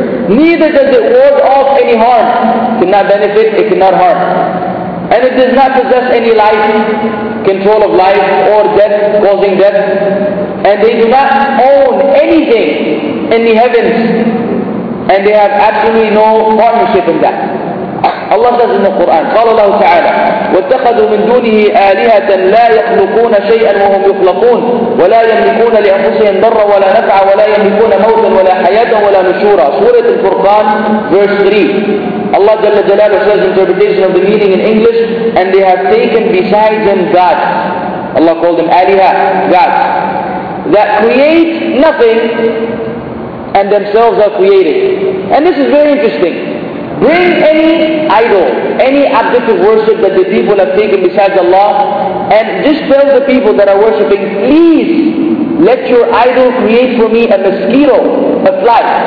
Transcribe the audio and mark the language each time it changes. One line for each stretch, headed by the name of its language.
English: Neither does it ward off any harm. It cannot benefit, it cannot harm. And it does not possess any life, control of life or death, causing death. And they do not own anything in the heavens. And they have absolutely no partnership in that. Allah says in the Quran,
Arabic: قال الله تعالى واتخذوا من دونه آلهة لا يخلقون شيئا وهم يخلقون ولا يملكون لأنفسهم ضرا ولا نفعا ولا يملكون موتا ولا حياة ولا نشورا.
English: سورة الفرقان verse 3. Allah
Arabic: جل جلاله
English: says interpretation of the meaning in English, and they have taken besides them gods. Allah called them آلهة, gods, that create nothing and themselves are created. And this is very interesting. Bring any idol, any object of worship that the people have taken besides Allah, and just tell the people that are worshipping, please let your idol create for me a mosquito, a fly.